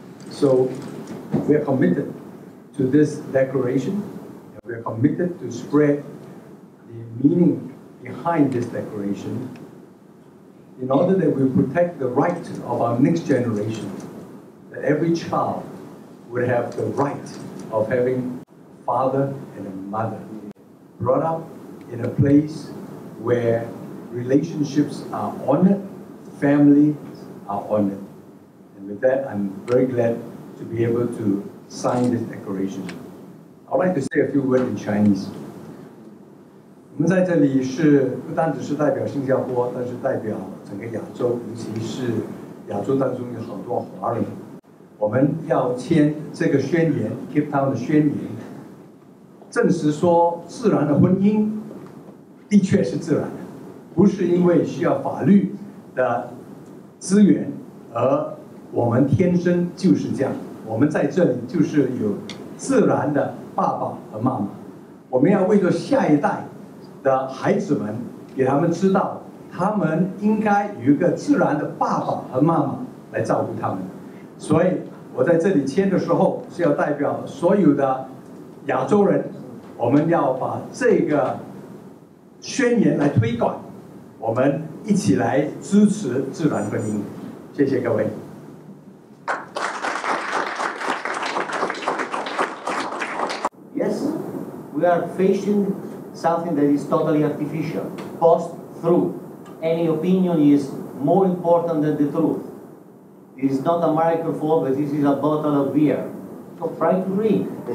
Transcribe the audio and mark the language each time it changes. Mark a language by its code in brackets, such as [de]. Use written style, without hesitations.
[en] So we are committed to this declaration, and we are committed to spread the meaning behind this declaration in order that we protect the right of our next generation, that every child would have the right of having a father and a mother, brought up in a place where relationships are honored, families are honored. And with that, I'm very glad to be able to sign this declaration. I'd like to say a few words in Chinese. [zh] 我们在这里是不单只是代表新加坡，但是代表整个亚洲，尤其是亚洲当中有好多华人。我们要签这个宣言 Cape Town 的宣言，证实说自然的婚姻的确是自然的，不是因为需要法律的资源，而我们天生就是这样。我们在这里就是有自然的爸爸和妈妈，我们要为着下一代的孩子们，给他们知道，他们应该有一个自然的爸爸和妈妈来照顾他们。所以我在这里签的时候是要代表所有的亚洲人，我们要把这个宣言来推广，我们一起来支持自然婚姻。谢谢各位。Yes, [en] we are facing something that is totally artificial, post-truth. Any opinion is more important than the truth. This is not a microphone, but this is a bottle of beer. So try to drink.